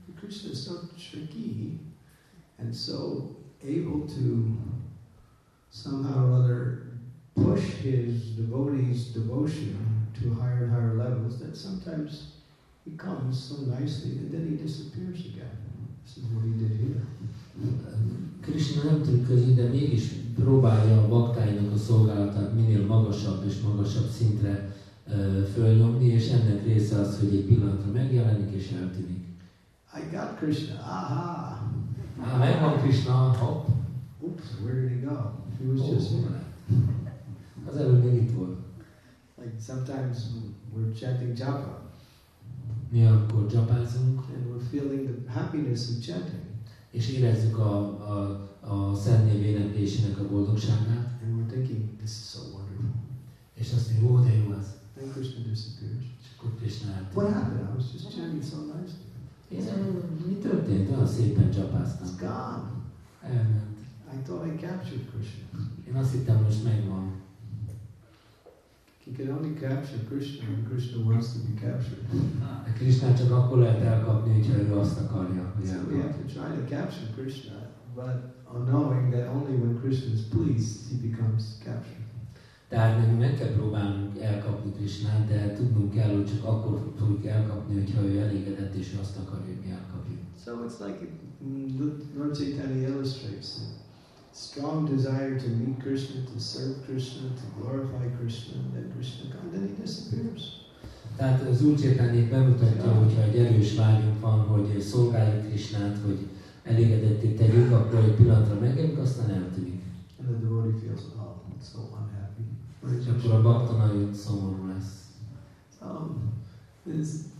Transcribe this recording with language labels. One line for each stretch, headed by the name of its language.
English: Krishna is so tricky, and so able to somehow or other push his devotees' devotion to higher and higher levels, that sometimes he comes so nicely and then he disappears again. This is what he did here.
Hungarian: Krishna nem trükközi, de mégis próbálja a baktáinak a szolgálatát minél magasabb és magasabb szintre fölnyomni, és ennek része az, hogy egy pillanatra megjelenik és eltűnik.
English: I got Krishna, aha!
Hungarian: Ah, megvan Krishna, hopp!
English: Oops, where did he go? He was just here.
Hungarian: Az előbb még itt volt.
English: Like sometimes we're chanting japa.
Hungarian: Mi akkor japázunk.
English: And we're feeling the happiness of chanting.
Hungarian: És érezzük a szentnév éneklésének a boldogságát.
English: And we're thinking, this is so wonderful.
Hungarian: És azt mondjuk, oh, de jó az.
English: Then Krishna disappears.
Hungarian: És akkor Krishna eltűnt.
English: What happened? I was just chanting so nicely.
Hungarian: Mi történt? Olyan szépen csapáztam.
English: It's gone.
Hungarian: Elment.
English: I thought I captured Krishna.
Hungarian: Én azt hittem, most megvan.
English: You can only capture Krishna when Krishna wants to be captured.
Hungarian: A Krishna csak akkor lehet elkapni, hogyha ő azt akarja.
English: So we have to try to capture Krishna, but knowing that only when Krishna is pleased, he becomes captured.
Hungarian: Tehát mi meg kell próbálnunk elkapni Krishnát, de tudnunk kell, hogy csak akkor fogjuk elkapni, hogyha ő elégedett és azt akarja, hogy mi elkapjuk.
English: So it's like Lord Chaitanya illustrates it. Strong desire to meet Krishna, to serve Krishna, to glorify Krishna, and then Krishna comes, then he disappears.
Hungarian: Tehát az Úr Chaitanya bemutatja, hogyha egy erős vágyunk van, hogy szolgáljuk Krishnát, hogy elégedetté tegyük, akkor egy pillanatra megjelünk, aztán eltűnik.
English: And the devotee feels, oh, so unhappy.
Hungarian: És akkor a bhakta nagyon szomorú lesz.